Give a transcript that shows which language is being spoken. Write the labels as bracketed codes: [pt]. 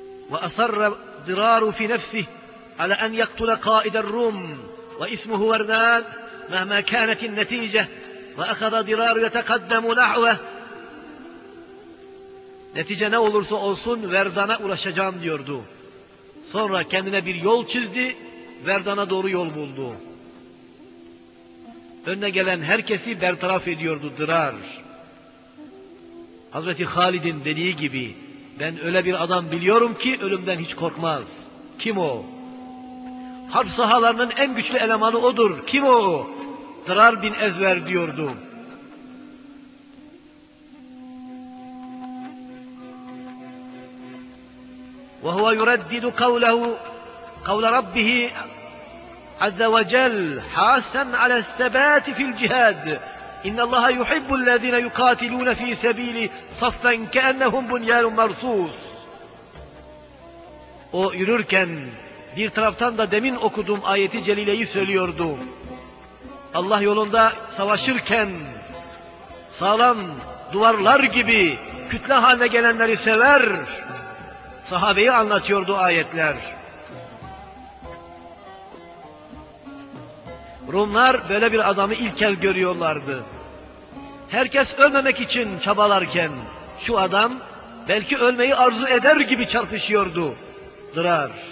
[ar] وأصر ضرار في نفسه على أن يقتل قائد الروم واسمه وردان مهما كانت النتيجة وأخذ ضرار يتقدم نحوه نتيجة [tr] ne olursa olsun Verdun'a ulaşacağım diyordu. Sonra kendine bir yol çizdi, Verdun'a doğru yol buldu. Önüne gelen herkesi bertaraf ediyordu Dırar. Hazreti Halid'in dediği gibi, ben öyle bir adam biliyorum ki ölümden hiç korkmaz. Kim o? Harp sahalarının en güçlü elemanı odur. Kim o? Dırar bin Ezver diyordu. [ar] Ve huve yureddidu kavlehu kavle rabbihi azze ve cel hasen ala sebati fil cihad. اِنَّ اللّٰهَ يُحِبُّ الَّذ۪ينَ يُقَاتِلُونَ ف۪ي سَب۪يلِ صَفًّا كَأَنَّهُمْ بُنْيَانٌ مَرْصُوصٌ [tr] O yürürken bir taraftan da demin okuduğum ayeti celileyi söylüyordu. Allah yolunda savaşırken sağlam duvarlar gibi kütle haline gelenleri sever. Sahabeyi anlatıyordu ayetler. Rumlar böyle bir adamı ilk kez görüyorlardı. Herkes ölmemek için çabalarken şu adam belki ölmeyi arzu eder gibi çarpışıyordu. Dırar.